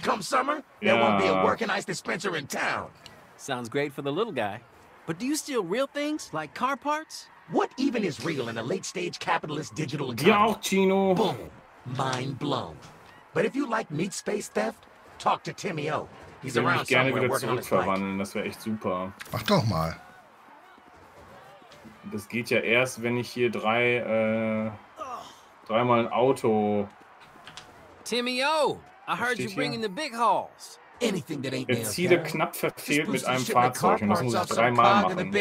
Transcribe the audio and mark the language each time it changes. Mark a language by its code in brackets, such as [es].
[en] Come summer, there won't be a working ice dispenser in town. Sounds great for the little guy. But do you steal real things like car parts? What even is real in a late stage capitalist digital economy? Yo, Chino. Boom! Mind blown. But if you like meat space theft, talk to Timmy O. He's around somewhere working on his bike. [de] Ich würde mich gerne wieder zurückverwandeln, das wäre echt super. Mach doch mal. Das geht ja erst, wenn ich hier dreimal ein Auto. [en] Timmy O, I heard you bringing the big hauls. Anything that ain't there. [de] Erziele knapp verfehlt mit einem Fahrzeug und das muss ich dreimal machen.